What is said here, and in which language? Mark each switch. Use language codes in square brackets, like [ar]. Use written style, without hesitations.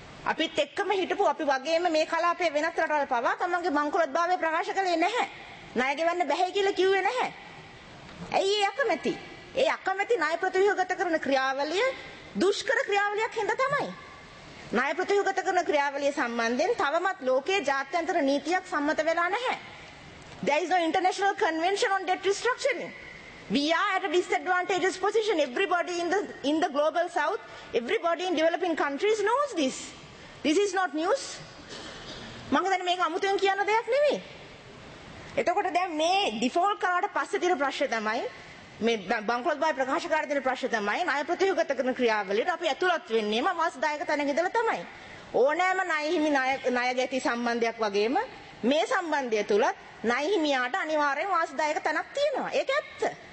[si] අපිත් එක්කම හිටපු අපි වගේම මේ කලාපයේ වෙනත් රටවල් පවා තමන්ගේ බංකොලොත් භාවය ප්‍රකාශ කළේ නැහැ, ණය ගෙවන්න බැහැ කියලා කිව්වේ නැහැ. ඇයි ඒ අකමැති? ඒ අකමැති ණය ප්‍රතිව්‍යුහගත කරන ක්‍රියාවලිය දුෂ්කර ක්‍රියාවලියක් හින්දා තමයි. ණය ප්‍රතිව්‍යුහගත කරන ක්‍රියාවලිය සම්බන්ධයෙන් තවමත් ලෝකයේ ජාත්‍යන්තර නීතියක් සම්මත වෙලා නැහැ. [en] There is no international convention on debt restructuring. We are at a disadvantageous position. Everybody in the global south, everybody in developing countries knows this. This is not news. [si] මංගදන්නේ මේක අමුතුවෙන් කියන දෙයක් නෙමෙයි. එතකොට දැන් මේ ඩිෆෝල්ට් කරාට පස්සේ තියෙන ප්‍රශ්න තමයි මේ බංකොලොත් බයි ප්‍රකාශ කර දෙන ප්‍රශ්න තමයි ණය ප්‍රතිහුගත කරන ක්‍රියාවලියට අපි ඇතුළත් වෙන්නේම මාස 10ක තැන ඉඳලා තමයි. ඕනෑම ණයහිමි ණය ගැති සම්බන්ධයක් වගේම මේ සම්බන්ධය තුලත් ණයහිමියාට අනිවාර්යයෙන් මාස 10ක තැනක් තියෙනවා. ඒක ඇත්ත.